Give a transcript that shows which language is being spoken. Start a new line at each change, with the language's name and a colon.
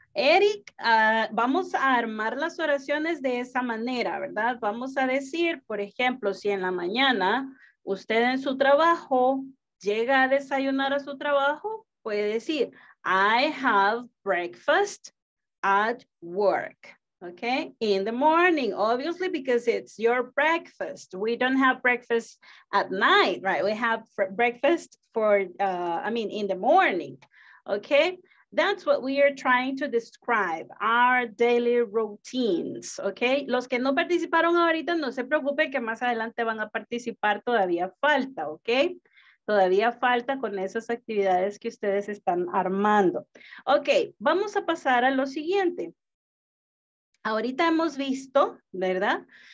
Spanish: Eric, vamos a armar las oraciones de esa manera, ¿verdad? Vamos a decir, por ejemplo, si en la mañana usted en su trabajo llega a desayunar a su trabajo, puede decir,
English: I have breakfast at work,
Spanish: okay?
English: In the morning, obviously, because it's your breakfast. We don't have breakfast at night, right? We have breakfast in the morning, okay? That's what we are trying to describe, our daily routines, okay?
Spanish: Los que no participaron ahorita, no se preocupen que más adelante van a participar, todavía falta, okay? Todavía falta con esas actividades que ustedes están armando. Ok, vamos a pasar a lo siguiente. Ahorita hemos visto, ¿verdad?